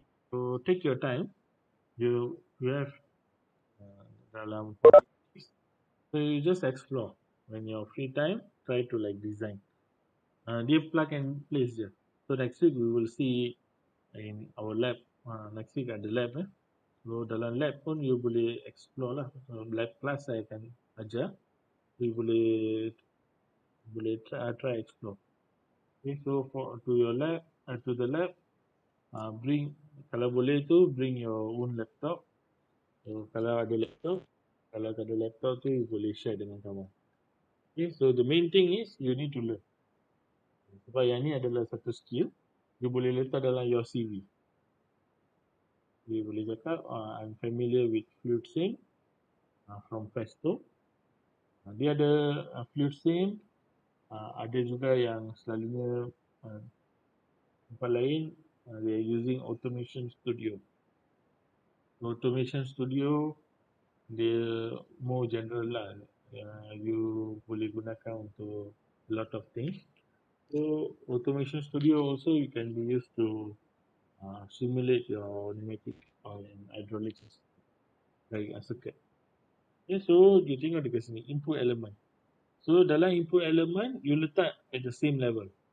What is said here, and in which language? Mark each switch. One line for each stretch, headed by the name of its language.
English: So take your time. You have dalam. So you just explore when you're free time, try to like design. Dia plug and place je. So next week we will see in our lab. Next week at the lab.
Malay: So dalam lab pun you boleh explore lah. So lab class saya akan ajar. We boleh try explore.
English: Okay, so to your lab, to the lab, bring,
Malay: kalau boleh tu,
English: bring your own laptop.
Malay: So kalau ada laptop, kalau ada laptop tu, you boleh share dengan kamu.
English: Okay, so the main thing is, you need to learn.
Malay: Sebab yang ni adalah satu skill, you boleh letak dalam your CV. You boleh cakap,
English: I'm familiar with fluid sync from Festo.
Malay: Dia ada fluid sync, ada juga yang selalunya tempat lain,
English: they are using Automation Studio. Automation Studio, dia more general lah. You boleh gunakan untuk lot of things. So Automation Studio also you can be used to simulate your pneumatic and hydraulic system. Like a circuit. Okay, so you
Malay: tengok dekat sini,
English: input element. So dalam input element, you letak at the same level.